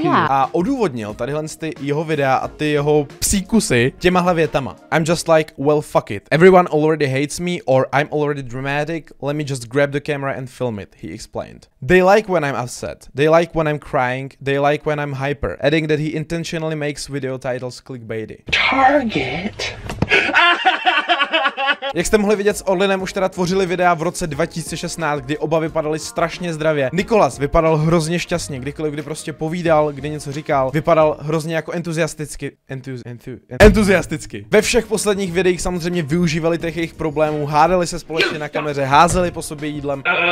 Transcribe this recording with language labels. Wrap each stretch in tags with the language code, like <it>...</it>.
<cs>A odůvodnil tadyhle ty jeho videa a ty jeho psíkusy těmahle větama.</cs> <en>I'm just like, well fuck it. Everyone already hates me or I'm already dramatic. Let me just grab the camera and film it, he explained. They like when I'm upset. They like when I'm crying. They like when I'm hyper. Adding that he intentionally makes video titles clickbaity. Target?</en> <cs>Jak jste mohli vidět, s Orlinem už teda tvořili videa v roce 2016, kdy oba vypadali strašně zdravě. Nikolas vypadal hrozně šťastně, kdykoliv, kdy prostě povídal, kdy něco říkal, vypadal hrozně jako entuziasticky. Entuziasticky. Ve všech posledních videích samozřejmě využívali těch jejich problémů, hádali se společně na kameře, házeli po sobě jídlem.</cs>